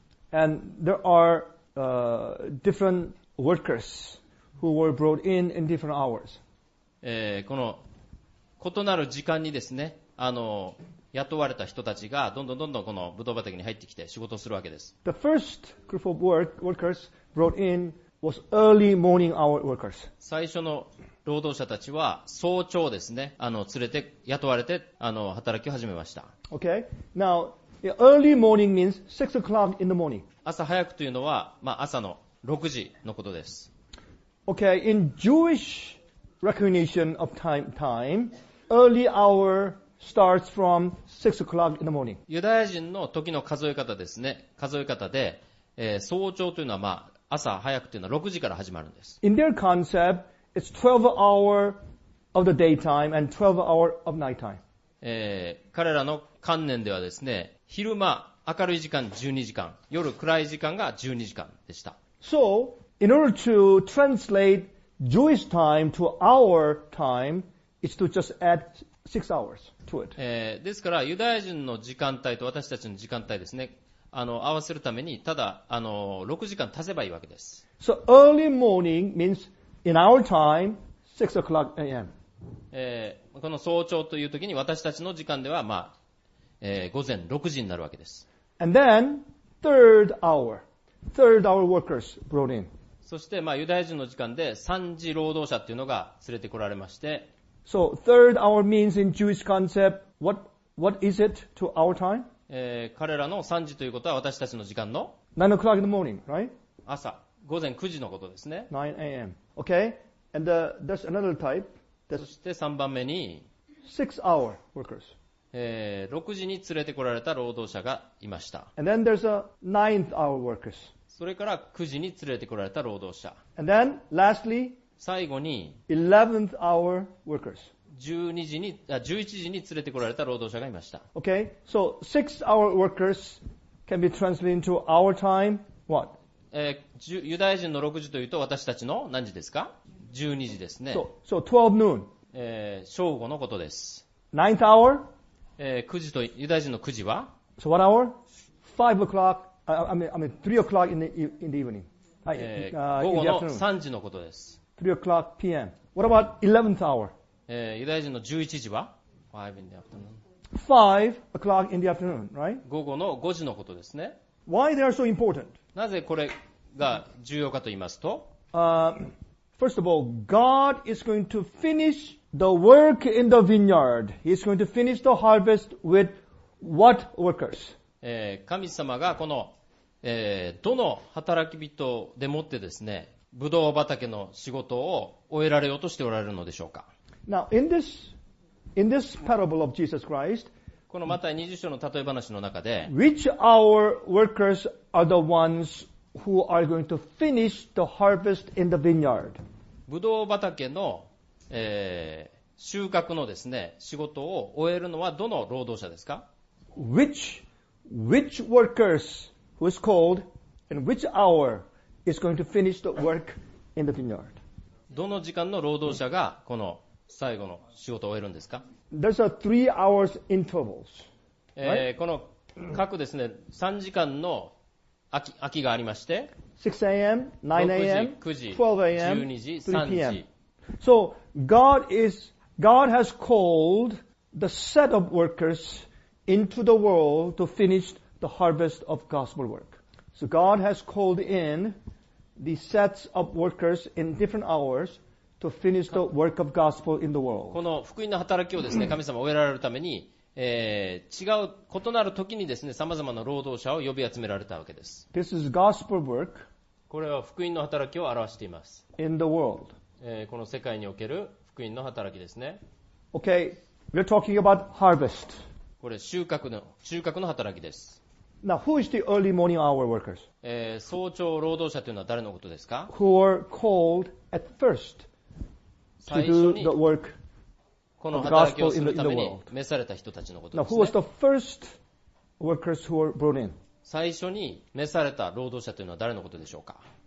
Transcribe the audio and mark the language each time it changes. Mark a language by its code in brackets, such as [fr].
[en] And there are, different workers who were brought in different hours. [ja] この異なる時間にですね、雇われた人たちがどんどんどんどんこのブドウ畑に入ってきて仕事をするわけです。 [en] The first group of workers brought in was early morning hour workers. [ja] 最初の労働者たちは早朝ですね、連れて雇われて働きを始めました。 [en] Okay. Now, early morning means 6 o'clock in the morning. [ja] 朝早くというのは、まあ、朝の6時のことです。 [en] Okay. In Jewish recognition of time, early hour starts from 6 o'clock in the morning. [ja] ユダヤ人の時の数え方ですね。数え方で、早朝というのは、まあ、朝早くというのは6時から始まるんです。 [en] In their concept, it's 12 hours of the daytime and 12 hours of nighttime. [ja] 彼らの観念ではですね、昼間明るい時間12時間、夜暗い時間が12時間でした。 [en] So, in order to translate Jewish time to our time, it's to just add6 hours to it. [ja] ですから、ユダヤ人の時間帯と私たちの時間帯ですね、合わせるために、ただ、6時間足せばいいわけです。 [en] So, early morning means, in our time, 6 o'clock a.m.、 [ja] この早朝という時に私たちの時間では、まあ、午前6時になるわけです。 [en] And then, third hour workers brought in. [ja] そして、まあ、ユダヤ人の時間で3時労働者っていうのが連れてこられまして、 [en] So, third hour means in Jewish concept, what is it to our time? [ja] 彼らの3時ということは私たちの時間の [en] ?9 o'clock in the morning, right? [ja] 朝、午前9時のことですね。 [en] 9 a.m. Okay? And, there's another type. [ja] そして3番目に、 [en] 6 hour workers. [ja] 6時に連れてこられた労働者がいました。 [en] And then there's a 9th hour workers. [ja] それから9時に連れてこられた労働者。 [en] And then, lastly, [ja] 最後に、 [en] 11th hour workers. [ja] 11時に連れてこられた労働者がいました。 [en] Okay, so 6 hour workers can be translated into our time, what? [ja] ユダヤ人の6時というと私たちの何時ですか ?12 時ですね。 [en] So 12 noon. [ja] 正午のことです。 [en] 9th hour? [ja] 9時と、ユダヤ人の9時は [en] ?So what hour? 5 o'clock, I mean 3 o'clock in the evening. [ja] 午後の3時のことです。 [en] 3 o'clock p.m. What about 11th hour? [ja] ユダヤ人の11時は ? [en] 5 in the afternoon. 5 o'clock in the afternoon, right? [ja] 午後の5時のことですね。 [en] Why they are so important? [ja] なぜこれが重要かと言いますと、 [en] First of all, God is going to finish the work in the vineyard. He's going to finish the harvest with what workers? [ja] 神様がこの、どの働き人でもってですね、ぶどう畑の仕事を終えられようとしておられるのでしょうか。 [en] Now, in this parable of Jesus Christ, [ja] このマタイ20章の例え話の中で、 [en] Which our workers are the ones who are going to finish the harvest in the vineyard? [ja] ぶどう畑の、収穫のですね、仕事を終えるのはどの労働者ですか？ [en] Which workers who is called and which hour? Is going to finish the work in the vineyard. [ja] どの時間の労働者がこの最後の仕事を終えるんですか？ [en] There's a three hours intervals. [ja] この各ですね、3時間の空きがありまして、 [en] 6 a.m., 9 a.m., [ja] 9時、 [en] 12 a.m., [ja] 12時、3時。 [en] So God has called the set of workers into the world to finish the harvest of gospel work. So God has called in the sets of workers in different hours to finish the work of gospel in the world. [ja] この福音の働きをですね、神様終えられるために、違う異なる時にですね、さまざまな労働者を呼び集められたわけです。 [en] This is gospel work. [ja] これは福音の働きを表しています。 [en] In the world. [ja] この世界における福音の働きですね。 [en] Okay, we're talking about harvest. [ja] これ収穫の働きです。 [en] Now, who is the early morning hour workers? [ja] 早朝労働者というのは誰のことですか？ [en] Who were called at first to do the work of the gospel in the world? [ja] 召された人たちのことですね。 [en] Now, who was the first workers who were brought in? [ja] 最初に召された労働者というのは誰のことでしょうか？